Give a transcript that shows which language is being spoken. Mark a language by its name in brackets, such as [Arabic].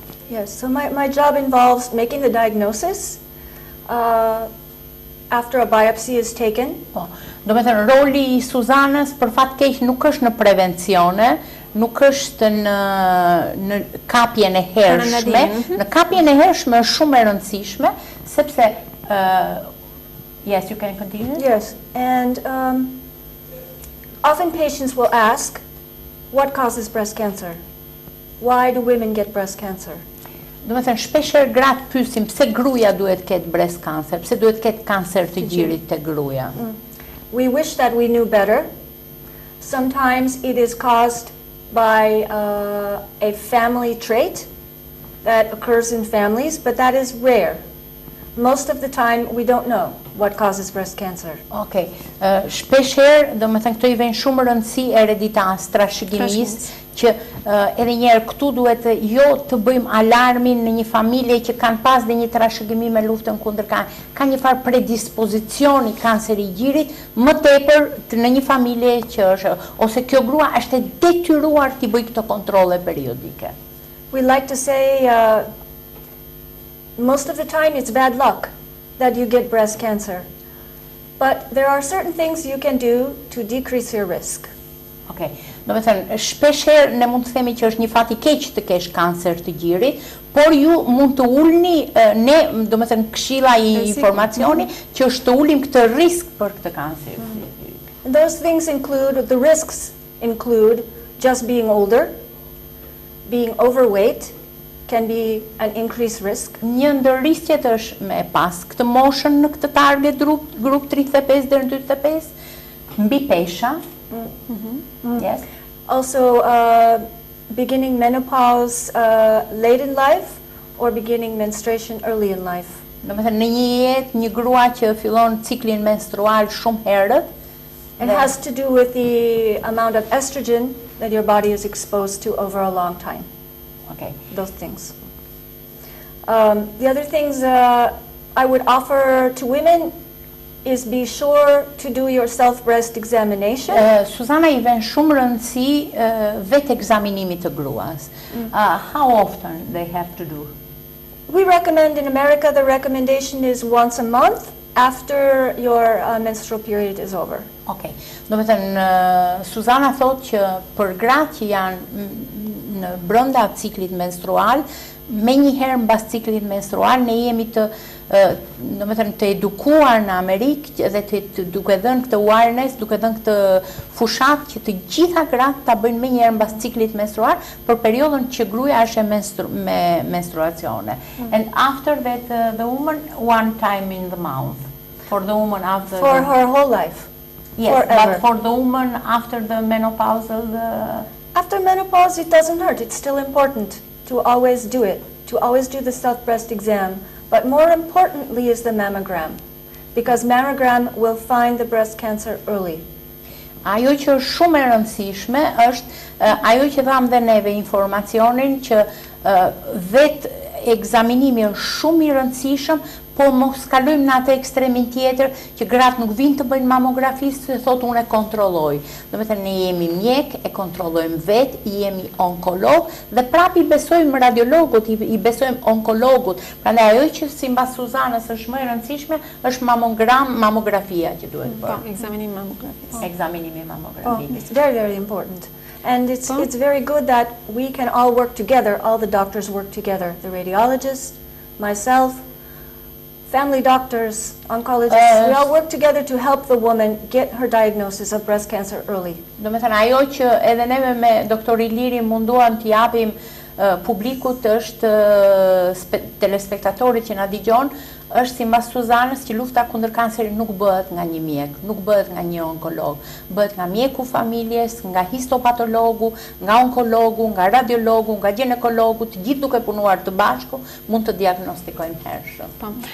[English] Yes, so my job involves making the diagnosis after a biopsy is taken. [Albanian] Po. Do me thënë, roli i Suzanës për fatë keq nuk është në prevencione, nuk është në kapjen e hershme. Në kapjen e hershme është shumë e rëndësishme, sepse, [English] yes, you can continue. Yes, and often patients will ask, what causes breast cancer? Why do women get breast cancer? [Albanian] Do me thënë, shpesher gratë pysim, pse gruja duhet ketë breast cancer, pse duhet ketë kancer të gjirit të gruja? [English] We wish that we knew better. Sometimes it is caused by a family trait that occurs in families, but that is rare. Most of the time, we don't know what causes breast cancer. Okay. [Albanian] Shpeshherë, do me thënë, këto i venë shumë rëndësi ereditas, trashëgimisë, që edhe njerë këtu duhet jo të bëjmë alarmin në një familje që kanë pas dhe një trashëgimi me luftën kundër kancerit. Ka një farë predispozicioni kanceri gjirit, më tepër në një familje që është, ose kjo grua është detyruar të bëjë këto kontrole periodike. [English] We like to say, most of the time it's bad luck that you get breast cancer. But there are certain things you can do to decrease your risk. Okay. [Albanian] Do të thënë, shpeshherë ne mund të themi që është një fat i keq të kesh kancer të gjirit, por ju mund të ulni, ne do të thënë këshilla i informacioni që është të ulim këtë risk për këtë kancer. [English] Those things include, the risks include just being older, being overweight, can be an increased risk. [Albanian] Një ndër rrisqet është me pas këtë moshën në këtë target grup 35 deri në 45, mbi pesha. [English] Yes. Also beginning menopause late in life or beginning menstruation early in life. [Albanian] Do të thënë në një jetë një grua që fillon ciklin menstrual shumë herët. [English] It has to do with the amount of estrogen that your body is exposed to over a long time. Okay, those things. The other things I would offer to women is be sure to do your self-breast examination. [Albanian] Susana, I vend shumë rëndësi vetë ekzaminimit të gruas. [English] How often they have to do? We recommend in America, the recommendation is once a month after your menstrual period is over. Okay. [Albanian] Do të thënë, Susana thotë që për gratë që janë në brenda ciklit menstrual, me një herë mbas ciklit menstrual, ne jemi të do të thënë të edukuar në Amerikë dhe të duke dhënë këtë awareness, duke dhënë këtë fushat që të gjitha gratë ta bëjnë më një herë mbas ciklit menstrual për periudhën që gruaja është me menstruacione. [English] And after that the woman one time in the month for the woman after for her whole life. Yes, forever. But for the woman after the menopausal after menopause it doesn't hurt. It's still important to always do it, to always do the self-breast exam. But more importantly is the mammogram, because mammogram will find the breast cancer early. [Albanian] Ajo që është shumë e rëndësishme është ajo që dham dhe neve informacionin që vetë ekzaminimi është shumë i rëndësishëm, po mos kalojmë në atë ekstremin tjetër që gratë nuk vinë të bëjnë mamografi, se thotë unë e kontrolloj. Do të thënë ne jemi mjek, e kontrollojmë vetë, jemi onkolog dhe prapë i besojmë radiologut, i besojmë onkologut. Prandaj ajo që sipas Suzanës është më e rëndësishme është mamografia që duhet bërë. Ekzaminimi mamografisë. Ekzaminimi mamografisë. [English] Very very important. And it's very good that we can all work together, all the doctors work together, the radiologist, myself, family doctors, oncologists, we all work together to help the woman get her diagnosis of breast cancer early. [Albanian] Do të thënë ajo që edhe ne me doktor Iliri munduam të japim publikut është telespektatorit që na dëgjon, është si mbas Suzanës që lufta kundër kancerit nuk bëhet nga një mjek, nuk bëhet nga një onkolog, bëhet nga mjeku familjes, nga histopatologu, nga onkologu, nga radiologu, nga ginekologu, të gjithë duke punuar të bashku, mund të diagnostikojmë hershëm.